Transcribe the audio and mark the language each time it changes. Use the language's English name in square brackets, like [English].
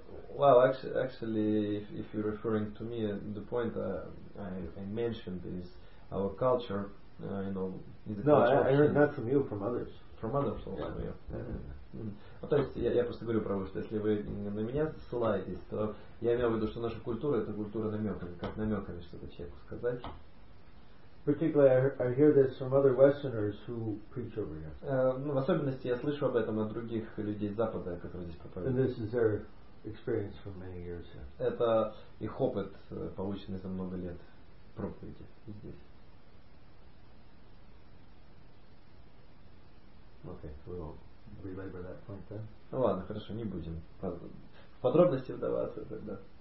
[English] Well, actually, if you're referring to me, the point I mentioned is our culture, you know, is no, I heard that from you, from others. From others, also, yeah. [Russian] Ну, то есть я просто говорю про то, что если вы на меня ссылаетесь, то я имею в виду, что наша культура – это культура намеков, как намеками что-то человеку сказать. [English] Particularly, I hear this from other Westerners who preach over here. [Russian] Ну, в особенности я слышу об этом от других людей Запада, которые здесь проповедуют. [English] And this is their experience for many years. Yeah. [Russian] Это их опыт, полученный за много лет проповеди здесь. [English] Okay, we'll relabor that point then. [Russian] Ну ладно, хорошо, не будем в подробности вдаваться тогда.